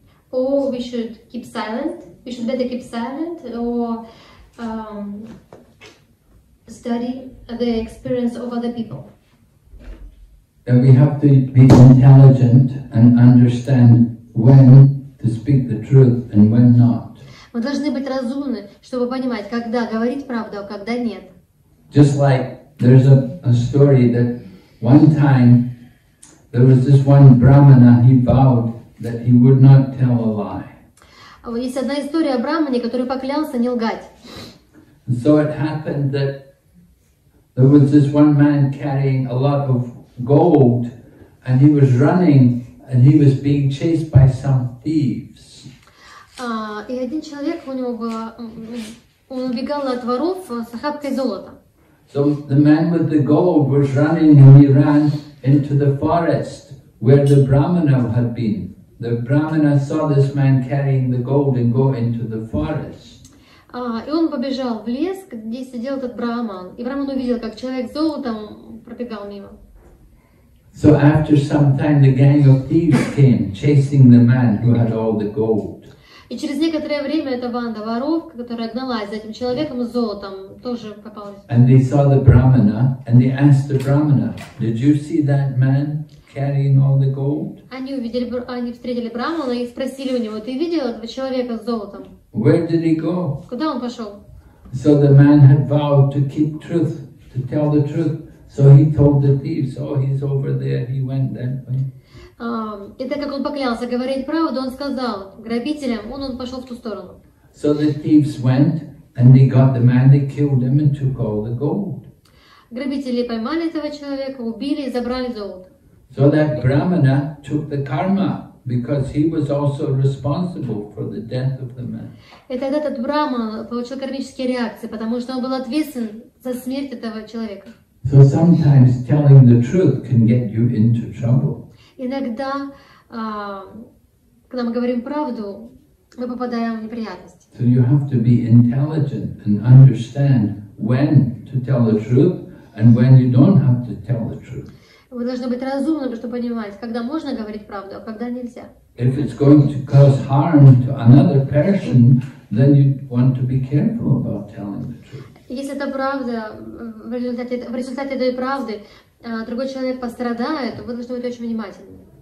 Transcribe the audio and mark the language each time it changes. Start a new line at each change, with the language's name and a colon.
English: Or we should keep silent? We should better keep silent? Study the experience of other people. We have to be intelligent and understand when to speak the truth and when not.
Russian: Мы должны быть разумны, чтобы понимать, когда говорить правду, а когда нет.
English: Just like there's a story that one time there was this one brahmana, he vowed that he would not tell a lie.
Russian: Есть одна история о брахмане, который поклялся не лгать.
English: So it happened that there was this one man carrying a lot of gold, and he was running, and he was being chased by some thieves.
Russian: И один человек у него был, он убегал от воров с охапкой золота.
English: So the man with the gold was running, and he ran into the forest where the brahmana had been. The brahmana saw this man carrying the gold and go into the forest.
Russian: И он побежал в лес, где сидел этот брахман. И брахман увидел, как человек с золотом пробегал мимо.
English: So after some time the gang of thieves came chasing the man who had all the gold.
Russian: И через некоторое время эта банда воров, которая гналась за этим человеком с золотом, тоже попалась.
English: And they saw the brahmana and they asked the brahmana, did you see that man? carrying all the gold?
Russian: Они увидели, они встретили Брахмана и спросили у него: ты видел этого человека с золотом?
English: Where did he go?
Russian: Куда он пошел?
English: So the man had vowed to keep truth, to tell the truth. So he told the thieves, oh, he's over there, he went that way.
Russian: И так как он поклялся говорить правду, он сказал грабителям, он пошел в ту сторону.
English: So the thieves went, and they got the man, they killed him and took all the gold.
Russian: Грабители поймали этого человека, убили и забрали золото.
English: So that Brahmana took the karma, because he was also responsible for the death of the man.
Russian: И тогда этот Брахман получил кармические реакции, потому что он был ответственен за смерть этого человека.
English: So sometimes telling the truth can get you into trouble.
Russian: Иногда, когда мы говорим правду, мы попадаем в неприятность.
English: So you have to be intelligent and understand when to tell the truth and when you don't have to tell the truth.
Russian: Вы должны быть разумным, чтобы понимать, когда можно говорить правду, а когда нельзя.
English: If it's going to cause harm to another person, then you want to be careful about telling the truth.
Russian: Если это правда, в результате этой правды другой человек пострадает, то вы должны быть очень внимательны.